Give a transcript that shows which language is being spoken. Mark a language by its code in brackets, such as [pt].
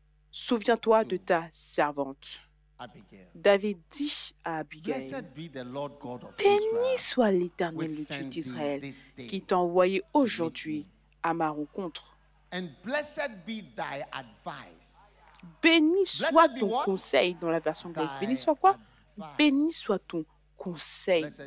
[fr] Souviens-toi de ta servante. David dit à Abigail, béni soit l'Éternel, le Dieu d'Israël, qui t'a envoyé aujourd'hui à ma rencontre. [en] And blessed be thy advice. [fr] Béni soit ton conseil dans la version grecque. Béni soit quoi? Béni soit ton conseil.